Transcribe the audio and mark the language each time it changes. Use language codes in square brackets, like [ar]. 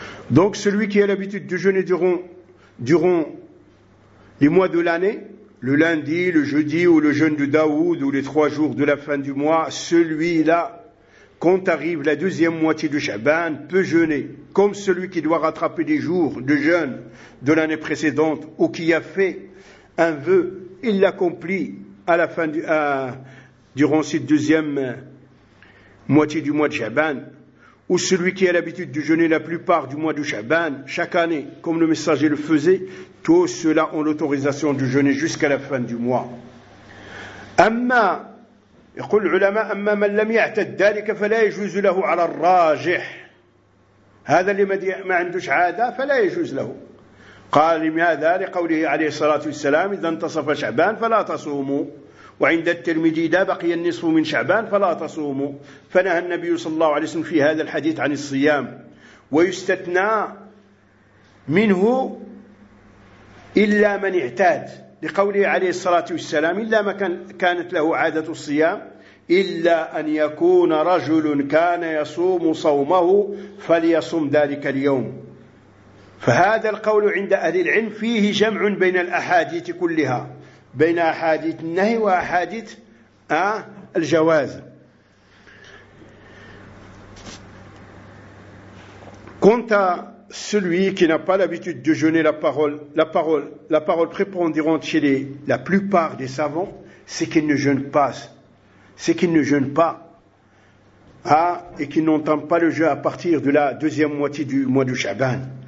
[fr] Donc celui qui a l'habitude de jeûner durant les mois de l'année, le lundi, le jeudi ou le jeûne de Daoud ou les trois jours de la fin du mois, celui-là, quand arrive la deuxième moitié de Chaban, peut jeûner, comme celui qui doit rattraper des jours de jeûne de l'année précédente ou qui a fait un vœu, il l'accomplit à la fin durant cette deuxième moitié du mois de Chaban. Ou celui qui a l'habitude de jeûner la plupart du mois de Chaban, chaque année, comme le messager le faisait, tous ceux-là ont l'autorisation de jeûner jusqu'à la fin du mois. [ar] Amma, يقول العلماء, أما من لم يعتد ذلك فلا يجوز له على الراجح. هذا اللي ما عندوش عادة فلا يجوز له. قال لماذا لقوله عليه الصلاة والسلام إذا انتصف شعبان فلا تصوموا. وعند الترمذي ده بقي النصف من شعبان فلا تصوموا. فنهى النبي صلى الله عليه وسلم في هذا الحديث عن الصيام. ويستثنى منه إلا من اعتاد لقوله عليه الصلاة والسلام إلا ما كانت له عادة الصيام إلا أن يكون رجل كان يصوم صومه فليصوم ذلك اليوم. فهذا القول عند أهل العلم فيه جمع بين الأحاديث كلها, بين أحاديث النهي وأحاديث الجواز. [fr] كنت celui qui n'a pas l'habitude de jeûner, la parole prépondérante chez la plupart des savants, c'est qu'ils ne jeûnent pas. C'est qu'ils ne jeûnent pas. Et qu'ils n'entament pas le jeûne à partir de la deuxième moitié du mois de Chaban.